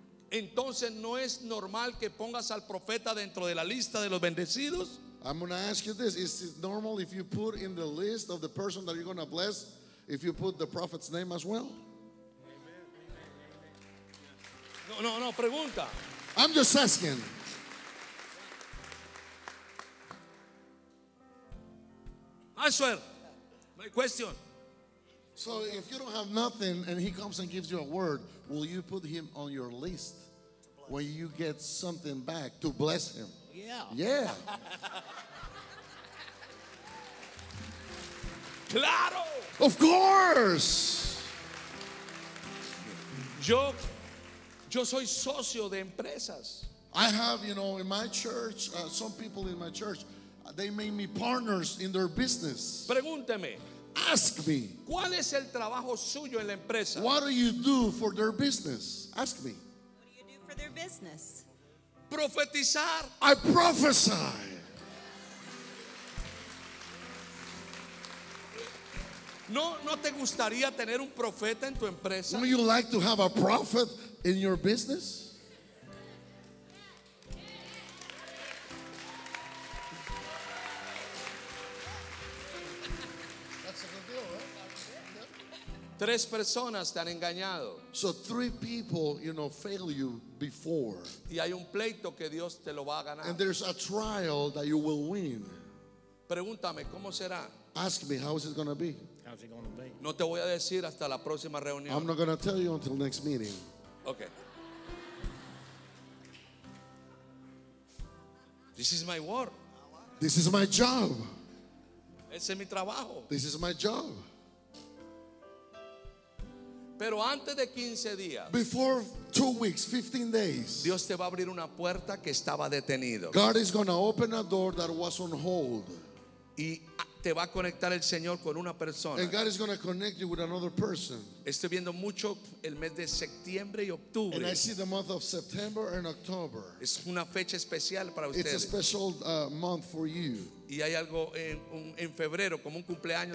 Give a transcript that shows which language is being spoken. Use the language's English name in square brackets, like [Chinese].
[Spanish] entonces no es normal que pongas al profeta dentro de la lista de los bendecidos. [English] I'm going to ask you this. Is it normal if you put in the list of the person that you're going to bless, if you put the prophet's name as well? [Spanish] Amen. Amen. Amen. No, no, no, pregunta. [English] I'm just asking. Answer my question. So if you don't have nothing and he comes and gives you a word, will you put him on your list when you get something back to bless him? Yeah. Yeah. [Spanish] Claro. [English] Of course. [Spanish] Yo soy socio de empresas. [English] I have, you know, in my church, some people in my church, they made me partners in their business. [Spanish] Pregúnteme. [English] Ask me. [Spanish] ¿Cuál es el trabajo suyo en la empresa? [English] What do you do for their business? Ask me. What do you do for their business? [Spanish] Profetizar. [English] I prophesy. [Spanish] ¿No, no te gustaría tener un profeta en tu empresa? [English] Would you like to have a prophet in your business? [Spanish] Tres personas te han engañado. [English] So three people, you know, fail you before. [Spanish] Y hay un pleito que Dios te lo va a ganar. [English] And there's a trial that you will win. [Spanish] Pregúntame, ¿cómo será? [English] Ask me, how is it going to be? How's it going to be? [Spanish] No te voy a decir hasta la próxima reunión. [English] I'm not going to tell you until next meeting. Okay. This is my work. This is my job. [Spanish] Ese es mi trabajo. [English] This is my job. [Spanish] Pero antes de 15 días, [English] before 2 weeks, 15 days, [Spanish] Dios te va a abrir una puerta que estaba detenido. [English] God is going to open a door that was on hold. [Spanish] Y te va a conectar el Señor con una persona. [English] And God is going to connect you with another person. [Spanish] Estoy viendo mucho el mes de septiembre y octubre. [English] And I see the month of September and October. [Spanish] Es una fecha especial para ustedes. [English] It's a special month for you. [Spanish] Y hay algo en febrero como un cumpleaños